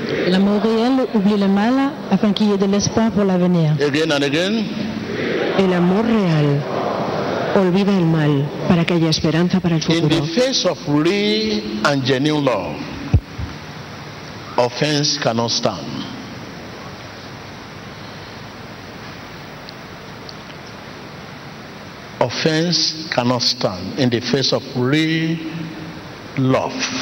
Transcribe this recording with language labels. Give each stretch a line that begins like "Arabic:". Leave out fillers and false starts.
French: L'amour réel oublie le mal afin qu'il y ait de l'espoir pour l'avenir.
English: Again and again.
French: Et l'amour réel
Spanish: olvida el mal para que haya esperanza para el futuro.
English: In the face of real and genuine love, offense cannot stand. Offense cannot stand in the face of real love.